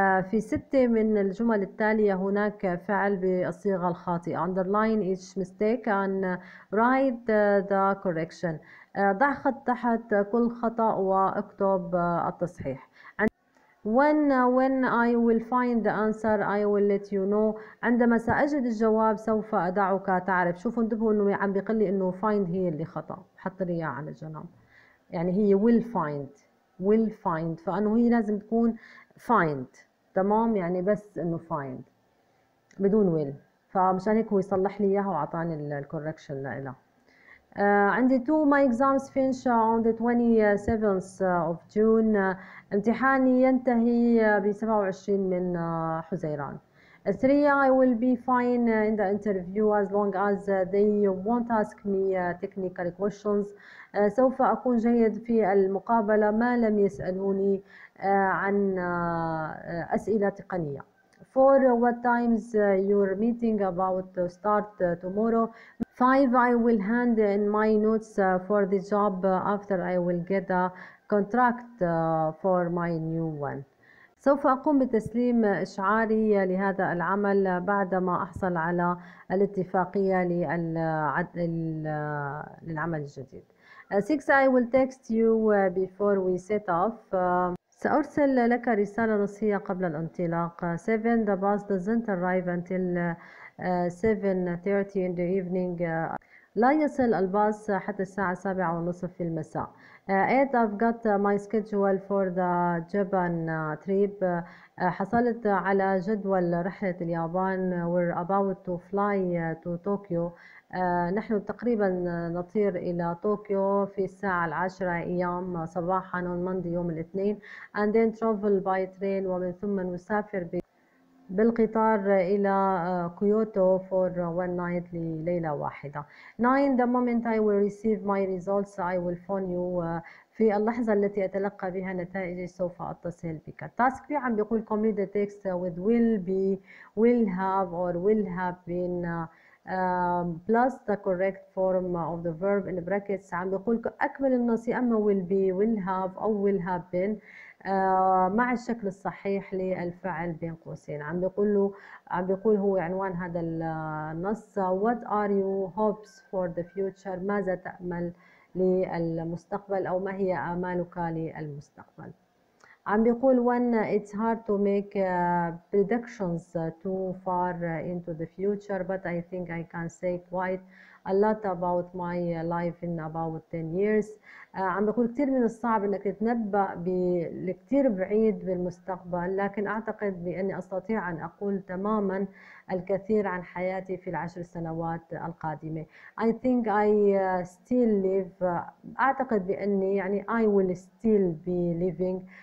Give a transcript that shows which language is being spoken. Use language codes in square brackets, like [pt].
[ar] في ستة من الجمل التالية هناك فعل بالصيغة الخاطئة. [en] Underline each mistake and write the correction. [ar] ضع خط تحت كل خطأ واكتب التصحيح. [en] When I will find the answer, I will let you know. [ar] عندما سأجد الجواب سوف أدعك تعرف. شوفوا انتبهوا إنه عم بيقول لي إنه find هي اللي خطأ، حط لي إياها على جنب. يعني هي [en] will find. Will find. [ar] فإنه هي لازم تكون find. تمام؟ يعني بس إنه find. بدون will. فمشان هيك هو يصلح لي إياها وأعطاني ال correction لإلها. عندي [en] two my exams finish on the 27th of June. [ar] امتحاني ينتهي ب 27 من حزيران. [en] Three I will be fine in the interview as long as they won't ask me technical questions. [ar] سوف أكون جيد في المقابلة ما لم يسألوني عن أسئلة تقنية. [en] Four what times your meeting about to start tomorrow? Five, I will hand in my notes for the job after I will get a contract for my new one. [ar] سوف أقوم بتسليم إشعاري لهذا العمل بعدما أحصل على الاتفاقية للعمل الجديد. [en] Six, I will text you before we set off. [ar] سأرسل لك رسالة نصية قبل الانطلاق. [en] Seven, the bus doesn't arrive until 7:30 in the evening. [ar] لا يصل الباص حتى الساعة 7:30 في المساء. [en] 8 I've got my schedule for the Japan trip. [ar] حصلت على جدول رحلة اليابان. [en] We're about to fly to Tokyo. [ar] نحن تقريبا نطير إلى طوكيو في الساعة 10 أيام صباحا [en] on Monday [ar] يوم الاثنين. [en] And then travel by train. [ar] ومن ثم نسافر بالقطار إلى كيوتو [en] for one night [ar] لليلة واحدة. [en] 9 the moment I will receive my results I will phone you. [ar] في اللحظة التي أتلقى بها نتائجي سوف أتصل بك. [en] Task 3 [ar] عم بيقول [en] complete the text with will be, will have or will have been plus the correct form of the verb in brackets. [ar] عم بيقول أكمل النص يا أما [en] will be, will have [ar] أو [en] will have been [ar] مع الشكل الصحيح للفعل بين قوسين. عم بيقول له عم بيقول هو عنوان هذا النص [en] what are you hopes for the future, [ar] ماذا تأمل للمستقبل او ما هي آمالك للمستقبل. عم بيقول [en] when it's hard to make predictions too far into the future but I think I can say quite a lot about my life in about 10 years. [ar] عم بيقول كثير من الصعب انك تتنبأ بكثير بعيد بالمستقبل لكن اعتقد باني استطيع ان اقول تماما الكثير عن حياتي في العشر سنوات القادمة. [en] I think I still live. [ar] اعتقد باني يعني [en] I will still be living.